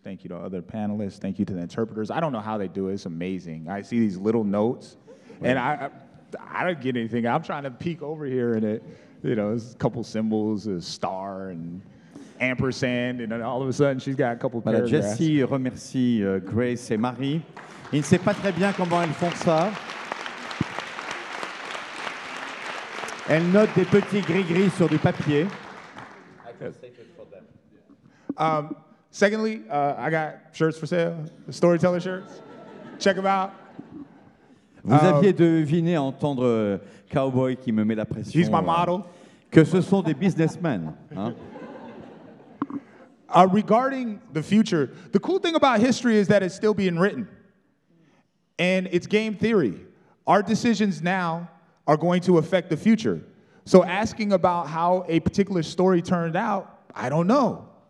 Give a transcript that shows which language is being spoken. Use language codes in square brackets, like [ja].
[en] Thank you to other panelists. Thank you to the interpreters. I don't know how they do it. It's amazing. I see these little notes, and I don't get anything. I'm trying to peek over here, and it, you know, it's a couple symbols, a star, and ampersand, and then all of a sudden she's got a couple paragraphs. [fr] Jessie remercie Grace et Marie. Il ne sait pas très bien comment elles font ça. Elle note des petits gris-gris sur du papier. [en] Secondly, I got shirts for sale, storyteller shirts. Check them out. [fr] Vous aviez deviné à entendre Cowboy qui me met la pression. [en] He's my model. [fr] Que ce sont des businessmen. Hein? [en] Regarding the future, the cool thing about history is that it's still being written. And it's game theory. Our decisions now are going to affect the future. So asking about how a particular story turned out, I don't know.